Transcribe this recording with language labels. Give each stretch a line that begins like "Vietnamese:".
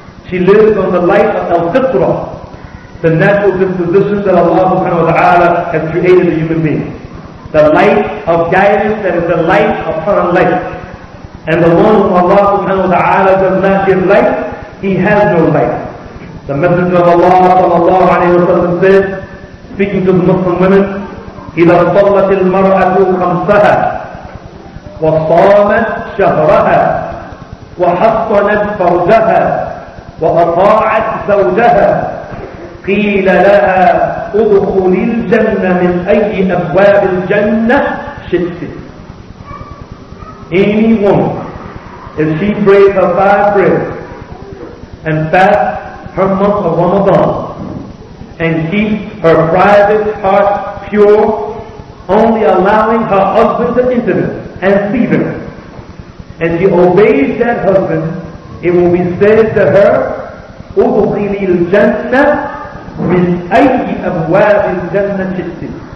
English: She lives on the light of al-fitra, the natural disposition that Allah subhanahu wa ta'ala has created the human being. The light of guidance that is the light upon light. And the one whom Allah subhanahu wa ta'ala does not give light, he has no light. The Messenger of Allah sallallahu alayhi wa sallam said, speaking to the Muslim women,
Arabic: إِذَا صَلَّتِ الْمَرْأَةُ خَمْسَهَا وَصَامَتْ شَهْرَهَا وَحَصَّنَتْ فَرْجَهَا وأطاعت زوجها قيل لها ادخلي الجنة من أي أبواب الجنة شئت.
English: Any woman, if she prays her five prayers and fasts her month of Ramadan and keeps her private heart pure, only allowing her husband to enter them and see them, and she obeys that husband, it will be said to her,
Arabic: أُدْخِلِي الْجَنَّةِ مِنْ أَيِّ أَبْوَابِ الْجَنَّةِ شِئْتِ.